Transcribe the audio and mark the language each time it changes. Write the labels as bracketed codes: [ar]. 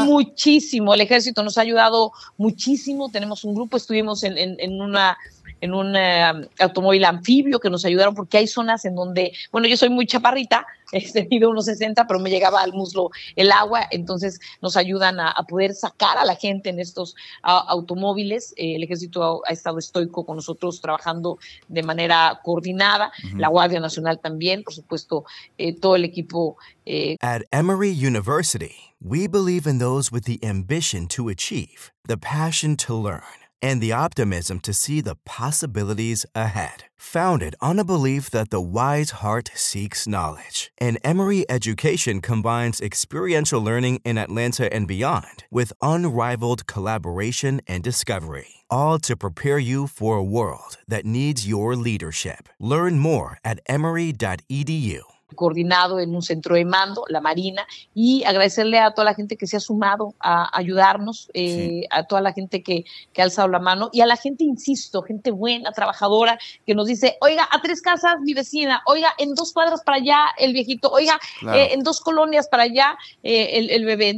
[es] Muchísimo, el ejército nos ha ayudado muchísimo, tenemos un grupo, estuvimos en un automóvil anfibio que nos ayudaron porque hay zonas en donde, bueno, yo soy muy chaparrita, he tenido unos 60, pero me llegaba al muslo el agua, entonces nos ayudan a poder sacar a la gente en estos automóviles. El ejército ha estado estoico con nosotros trabajando de manera coordinada, la Guardia Nacional también, por supuesto, todo el equipo. [en] At Emory University, we believe in those with the ambition to achieve, the passion to learn, and the optimism to see the possibilities ahead. Founded on a belief that the wise heart seeks knowledge, an Emory education combines experiential learning in Atlanta and beyond with unrivaled collaboration and discovery, all to prepare you for a world that needs your leadership. Learn more at emory.edu. [es] Coordinado en un centro de mando, la Marina, y agradecerle a toda la gente que se ha sumado a ayudarnos, a toda la gente que ha alzado la mano, y a la gente, insisto, gente buena, trabajadora, que nos dice, oiga, a tres casas mi vecina, oiga, en dos cuadras para allá el viejito, oiga, en dos colonias para allá el bebé.